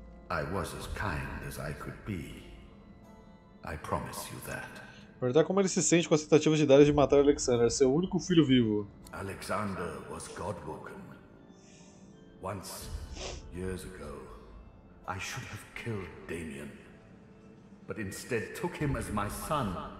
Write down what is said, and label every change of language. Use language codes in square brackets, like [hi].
[en] I was as kind as I could be. I promise you that. [pt] Perguntar como ele se sente com as tentativas de Darius de matar Alexander, seu único filho vivo. [en] Alexander was Godwoken. Once. Years ago, I should have killed Damien, but instead took him as my son.